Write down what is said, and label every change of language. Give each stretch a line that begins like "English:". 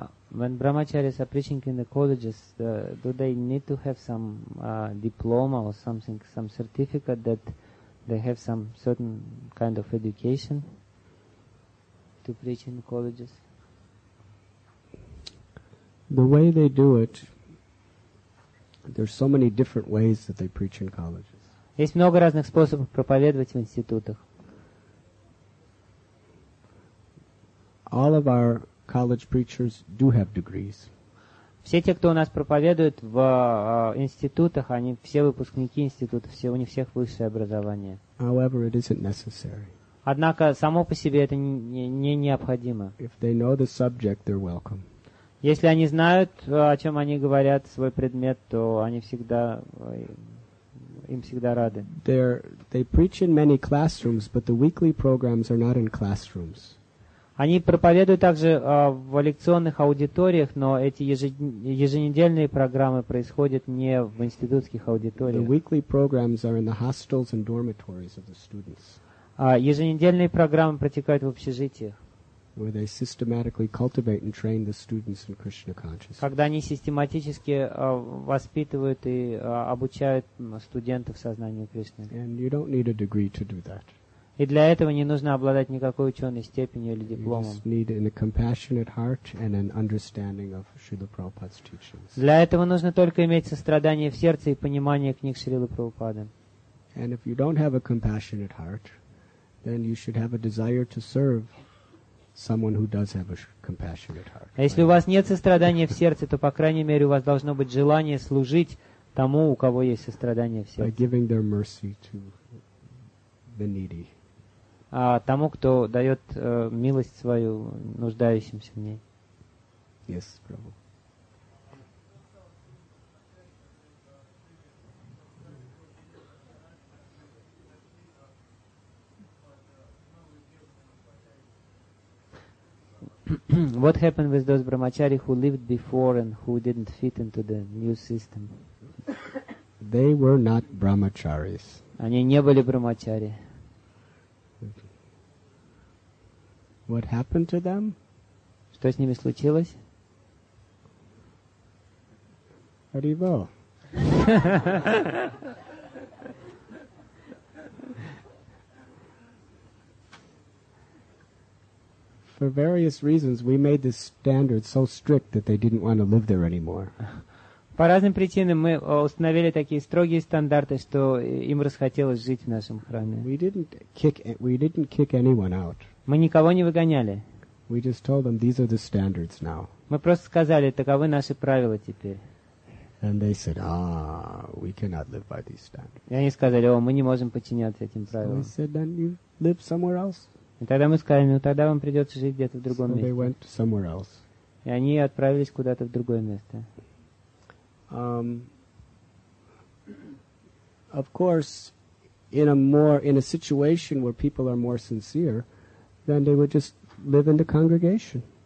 English: When brahmacharis are preaching in the colleges, do they need to have some diploma or something, some certificate that they have some certain kind of education to preach in the colleges? The way they do it, there's so many different ways that they preach in colleges.
Russian: Есть много разных способов проповедовать в институтах.
English: All of our college preachers do have degrees.
Russian: Все те, кто у нас проповедуют в институтах, они все выпускники институтов, все у них всех высшее образование.
English: However, it isn't necessary.
Russian: Однако само по себе это не необходимо.
English: If they know the subject, they're welcome.
Russian: Если они знают, о чем они говорят, свой предмет, то они всегда, им всегда рады.
English: They preach in many classrooms, but the weekly programs are not in classrooms.
Russian: Они проповедуют также в лекционных аудиториях, но эти еженедельные программы происходят не в институтских аудиториях.
English: The weekly programs are in the hostels and dormitories of the students.
Russian: Еженедельные программы протекают в общежитиях.
English: Where they systematically cultivate and train the students in Krishna consciousness.
Russian: Когда они систематически воспитывают и обучают студентов сознанию Кришны.
English: And you don't need a degree to do that.
Russian: И для этого не нужно обладать никакой ученой степенью или дипломом.
English: You just need a compassionate heart and an understanding of Srila Prabhupada's teachings.
Russian: Для этого нужно только иметь сострадание в сердце и понимание книг Шрилы Прабхупады.
English: And if you don't have a compassionate heart, then you should have a desire to serve someone who does have a compassionate heart.
Russian: Если у вас нет сострадания в сердце, то по крайней мере у вас должно быть желание служить тому, у кого есть сострадание в сердце.
English: By giving their mercy to the needy.
Russian: А тому, кто дает милость свою нуждающимся в ней.
English: Yes, Prabhu. What happened with those brahmachari who lived before and who didn't fit into the new system? They were not brahmacharis.
Russian: Они не были брахмачари.
English: What happened to them?
Russian: Что с ними случилось? Haribo.
English: For various reasons, we made this standard so strict that they didn't want to live there anymore.
Russian: По разным причинам мы установили такие строгие стандарты, что им расхотелось жить в нашем храме.
English: We didn't kick anyone out.
Russian: Мы никого не выгоняли.
English: We just told them these are the standards now.
Russian: Мы просто сказали, таковы наши правила теперь.
English: And they said, ah, we cannot live by these standards.
Russian: И они сказали, о, мы не можем подчиняться этим правилам.
English: So we said, then you live somewhere else.
Russian: И тогда мы сказали, ну тогда вам придется жить где-то в другом месте.
English: They went somewhere else.
Russian: И они отправились куда-то в другое место.
English: Of course, in a situation where people are more sincere, then they would just live in the congregation.